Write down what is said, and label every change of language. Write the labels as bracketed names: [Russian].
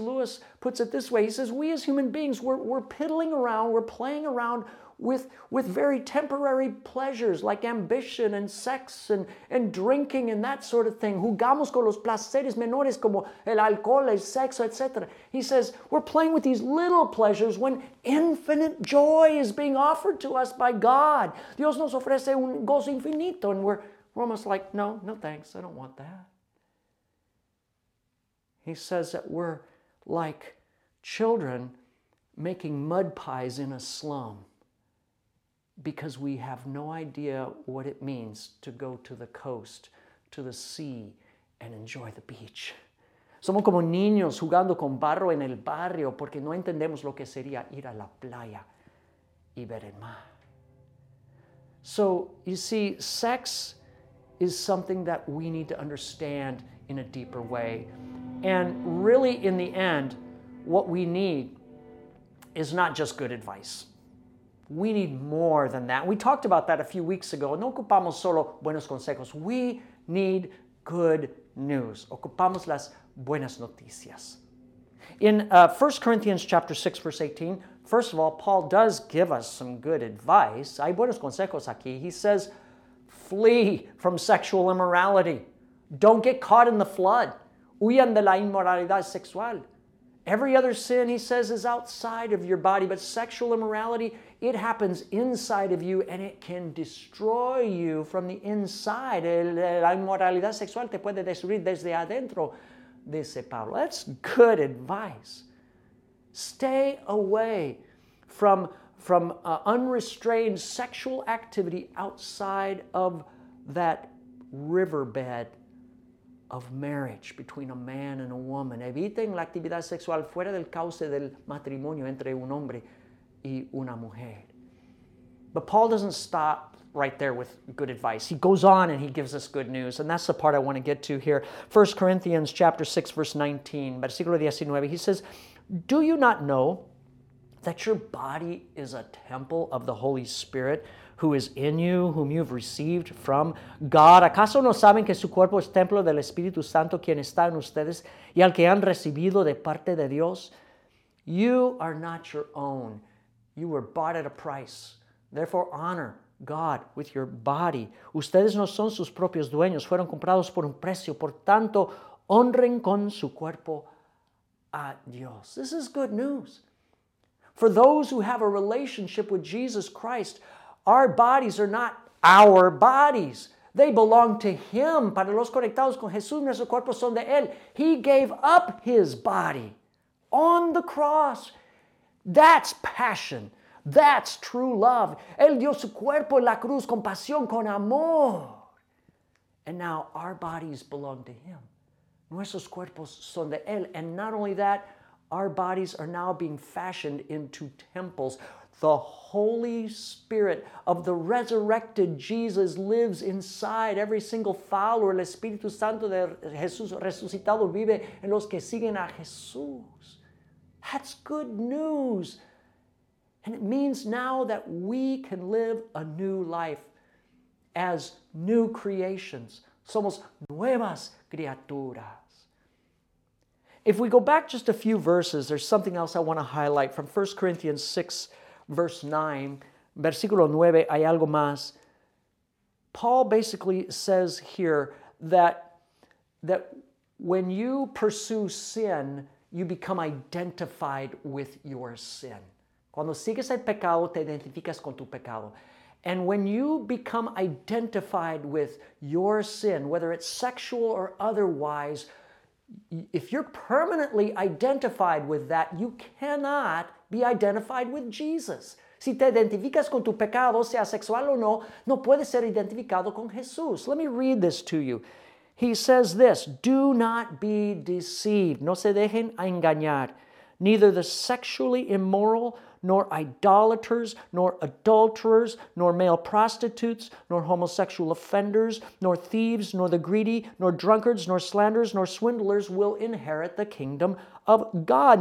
[English] Lewis, puts it this way. He says, we as human beings, we're piddling around, we're playing around with very temporary pleasures like ambition and sex and drinking and that sort of thing. [Spanish] Jugamos con los placeres menores como el alcohol, el sexo, etc. [English] He says, we're playing with these little pleasures when infinite joy is being offered to us by God. [Spanish] Dios nos ofrece un gozo infinito. [English] And we're almost like, no thanks, I don't want that. He says that we're like children making mud pies in a slum because we have no idea what it means to go to the coast, to the sea, and enjoy the beach. [Spanish] Somos como niños jugando con barro en el barrio porque no entendemos lo que sería ir a la playa y ver el mar. [English] So, you see, sex is something that we need to understand in a deeper way. And really, in the end, what we need is not just good advice. We need more than that. We talked about that a few weeks ago. [Spanish] No ocupamos solo buenos consejos. [English] We need good news. [Spanish] Ocupamos las buenas noticias. [English] In 1 Corinthians chapter 6, verse 18, first of all, Paul does give us some good advice. [Spanish] Hay buenos consejos aquí. [English] He says, flee from sexual immorality. Don't get caught in the flood. [Spanish] Huyan de la inmoralidad sexual. [English] Every other sin, he says, is outside of your body, but sexual immorality, it happens inside of you and it can destroy you from the inside. [Spanish] La inmoralidad sexual te puede destruir desde adentro, dice Pablo. [English] That's good advice. Stay away from unrestrained sexual activity outside of that riverbed of marriage between a man and a woman. [Spanish] Eviten la actividad sexual fuera del cauce del matrimonio entre un hombre y una mujer. [English] But Paul doesn't stop right there with good advice. He goes on and he gives us good news. And that's the part I want to get to here. 1 Corinthians chapter 6, verse 19, versículo 19. He says, do you not know that your body is a temple of the Holy Spirit, who is in you, whom you've received from God? [Spanish] ¿Acaso no saben que su cuerpo es templo del Espíritu Santo, quien está en ustedes, y al que han recibido de parte de Dios? [English] You are not your own. You were bought at a price. Therefore, honor God with your body. [Spanish] Ustedes no son sus propios dueños. Fueron comprados por un precio. Por tanto, honren con su cuerpo a Dios. [English] This is good news. For those who have a relationship with Jesus Christ, our bodies are not our bodies. They belong to Him. [Spanish] Para los conectados con Jesús, nuestros cuerpos son de Él. [English] He gave up His body on the cross. That's passion. That's true love. [Spanish] Él dio su cuerpo en la cruz con pasión, con amor. [English] And now our bodies belong to Him. [Spanish] Nuestros cuerpos son de Él. [English] And not only that, our bodies are now being fashioned into temples. The Holy Spirit of the resurrected Jesus lives inside every single follower. [Spanish] El Espíritu Santo de Jesús resucitado vive en los que siguen a Jesús. [English] That's good news. And it means now that we can live a new life as new creations. [Spanish] Somos nuevas criaturas. [English] If we go back just a few verses, there's something else I want to highlight from 1 Corinthians 6, verse 9. [Spanish] Versículo 9, hay algo más. [English] Paul basically says here that when you pursue sin, you become identified with your sin. [Spanish] Cuando sigues el pecado, te identificas con tu pecado. [English] And when you become identified with your sin, whether it's sexual or otherwise, if you're permanently identified with that, you cannot be identified with Jesus. [Spanish] Si te identificas con tu pecado, sea sexual o no, no puedes ser identificado con Jesús. [English] Let me read this to you. He says this, do not be deceived. [Spanish] No se dejen engañar. [English] Neither the sexually immoral, nor idolaters, nor adulterers, nor male prostitutes, nor homosexual offenders, nor thieves, nor the greedy, nor drunkards, nor slanderers, nor swindlers will inherit the kingdom of God.